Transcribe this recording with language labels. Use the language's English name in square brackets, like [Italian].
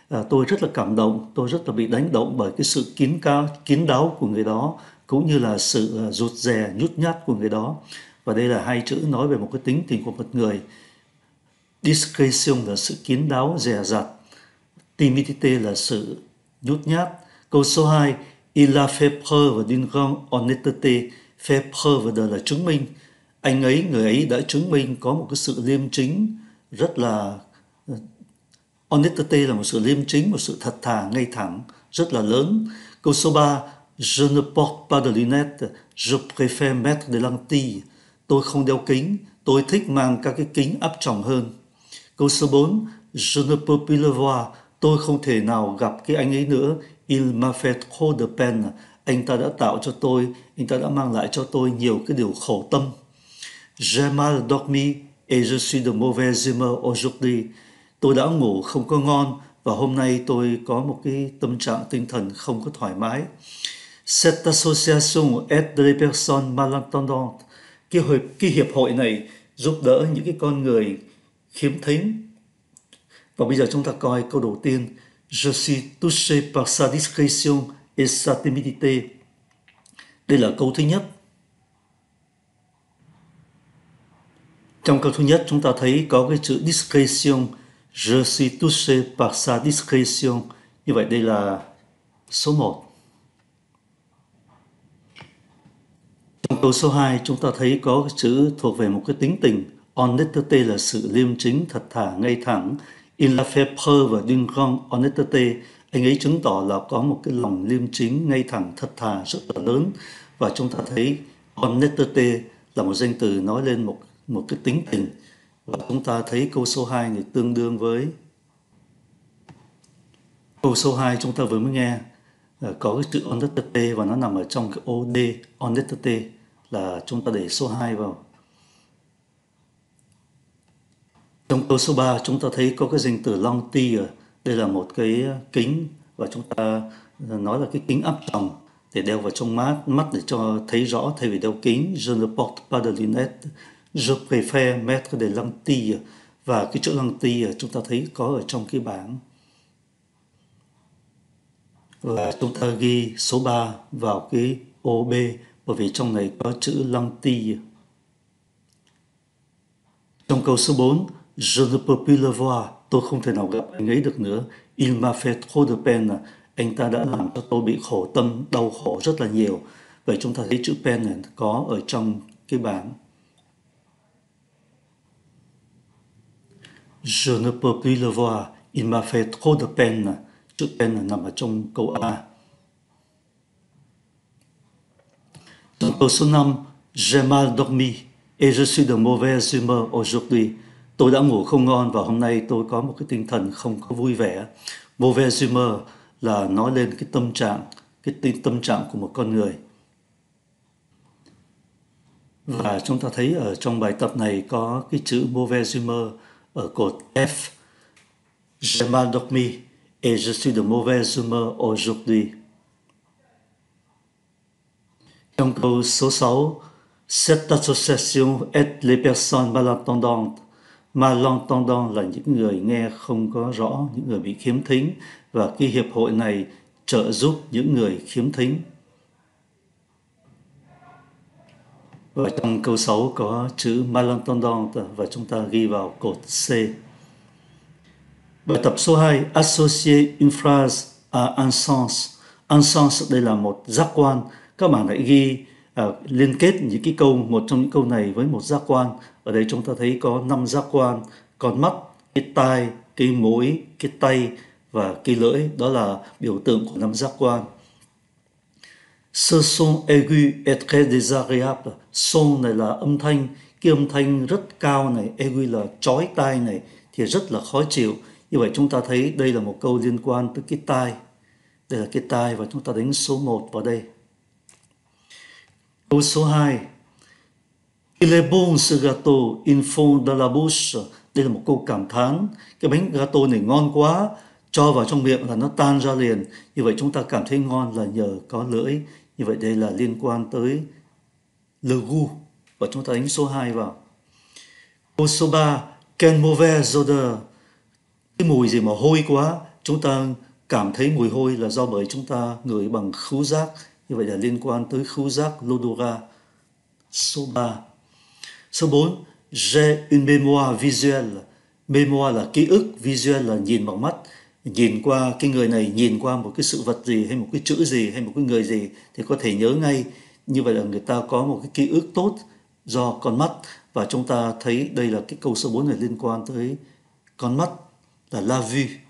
[Vietnamese] Tôi rất là cảm động, tôi rất là bị đánh động bởi cái sự kín đáo của người đó, cũng như là sự rụt rè, nhút nhát của người đó. Và đây là hai chữ nói về một cái tính tình của một người. Discrétion là sự kín đáo, dè dặt. Timidité là sự nhút nhát. Câu số 2, [French] Il a fait preuve d'une grande honnêteté. [Vietnamese] Fait preuve là chứng minh. Anh ấy, người ấy đã chứng minh có một cái sự liêm chính rất là... Honnêteté là một sự liêm chính, một sự thật thà, ngay thẳng, rất là lớn. Câu số 3, [French] Je ne porte pas de lunettes. Je préfère mettre des lentilles. [Vietnamese] Tôi không đeo kính. Tôi thích mang các cái kính áp tròng hơn. Câu số 4, [French] Je ne peux plus le voir. [Vietnamese] Tôi không thể nào gặp cái anh ấy nữa. [French] Il m'a fait trop de peine. [Vietnamese] Anh ta đã tạo cho tôi, anh ta đã mang lại cho tôi nhiều cái điều khổ tâm. [French] J'ai mal dormi et je suis de mauvaise humeur aujourd'hui. [Vietnamese] Tôi đã ngủ không có ngon và hôm nay tôi có một cái tâm trạng tinh thần không có thoải mái. [French] Cette association aide les personnes malentendantes. [Vietnamese] Cái hiệp hội này giúp đỡ những cái con người khiếm thính. Và bây giờ chúng ta coi câu đầu tiên. [French] Je suis touché par sa discrétion et sa timidité. [Vietnamese] Đây là câu thứ nhất. Trong câu thứ nhất chúng ta thấy có cái chữ discrétion. [French] Je suis touché par sa discrétion. [Vietnamese] Như vậy đây là số 1. Trong câu số 2 chúng ta thấy có cái chữ thuộc về một cái tính tình. Honnêteté là sự liêm chính, thật thà, ngay thẳng. [French] Il a fait preuve d'une grande honnêteté. [Vietnamese] Anh ấy chứng tỏ là có một cái lòng liêm chính, ngay thẳng, thật thà rất là lớn. Và chúng ta thấy honnêteté là một danh từ nói lên một cái tính tình. Và chúng ta thấy câu số 2 thì tương đương với câu số 2 chúng ta vừa mới nghe có cái chữ honnêteté và nó nằm ở trong cái OD. Honnêteté là chúng ta để số 2 vào. Trong câu số 3 chúng ta thấy có cái danh từ long tia, đây là một cái kính và chúng ta nói là cái kính áp tròng, để đeo vào trong mắt để cho thấy rõ thay vì đeo kính. [French] Je ne porte pas de lunettes, je préfère mettre des lentilles. [Vietnamese] Và cái chỗ lentilles chúng ta thấy có ở trong cái bảng. Và chúng ta ghi số 3 vào cái ô B bởi vì trong này có chữ lentilles. Trong câu số 4, [French] je ne peux plus le voir, [Vietnamese] tôi không thể nào gặp anh ấy được nữa. [French] Il m'a fait trop de peine, [Vietnamese] anh ta đã làm cho tôi bị khổ tâm, đau khổ rất là nhiều. Vậy chúng ta thấy chữ peine có ở trong cái bảng. [French] Je ne peux plus le voir, il m'a fait trop de peine. [Vietnamese] Chữ peine nằm ở trong câu A. Trong câu số 5, [French] j'ai mal dormi et je suis de mauvaise humeur aujourd'hui. [Vietnamese] Tôi đã ngủ không ngon và hôm nay tôi có một cái tinh thần không có vui vẻ. Mauvaise humeur là nói lên cái tâm trạng của một con người. Và chúng ta thấy ở trong bài tập này có cái chữ mauvaise humeur ở cột F. [French] J'ai mal dormi et je suis de mauvaise humeur aujourd'hui. [Vietnamese] Trong câu số 6, [French] cette association aide les personnes malentendantes. [Vietnamese] Malentendant là những người nghe không có rõ, những người bị khiếm thính. Và cái hiệp hội này trợ giúp những người khiếm thính. Và trong câu 6 có chữ malentendant và chúng ta ghi vào cột C. Bài tập số 2, [French] associer une phrase à un sens. [Vietnamese] Un sens đây là một giác quan. Các bạn hãy ghi liên kết những cái câu, một trong những câu này với một giác quan. Ở đây chúng ta thấy có 5 giác quan, con mắt, cái tai, cái mũi, cái tay và cái lưỡi. Đó là biểu tượng của 5 giác quan. [French] Ce son aigu est très désagréable. [Vietnamese] Son này là âm thanh, cái âm thanh rất cao này, aigu là chói tai này, thì rất là khó chịu. Như vậy chúng ta thấy đây là một câu liên quan tới cái tai. Đây là cái tai và chúng ta đánh số 1 vào đây. Câu số 2. [French] Il est bon ce gâteau in fond de la bouche. [Vietnamese] Đây là một câu cảm thán. Cái bánh gâteau này ngon quá, cho vào trong miệng là nó tan ra liền. Như vậy chúng ta cảm thấy ngon là nhờ có lưỡi. Như vậy đây là liên quan tới le goût. Và chúng ta đánh số 2 vào. Câu số 3. [French] Quelle mauvaise odeur. [Vietnamese] Cái mùi gì mà hôi quá. Chúng ta cảm thấy mùi hôi là do bởi chúng ta ngửi bằng khứu giác. Như vậy là liên quan tới khứu giác, l'odorat. Số 3. Số 4, [French] j'ai une mémoire visuelle. [Vietnamese] Mémoire là ký ức, visuelle là nhìn bằng mắt. Nhìn qua cái người này, nhìn qua một cái sự vật gì, hay một cái chữ gì, hay một cái người gì, thì có thể nhớ ngay. Như vậy là người ta có một cái ký ức tốt do con mắt. Và chúng ta thấy đây là cái câu số 4 này liên quan tới con mắt, là la vue.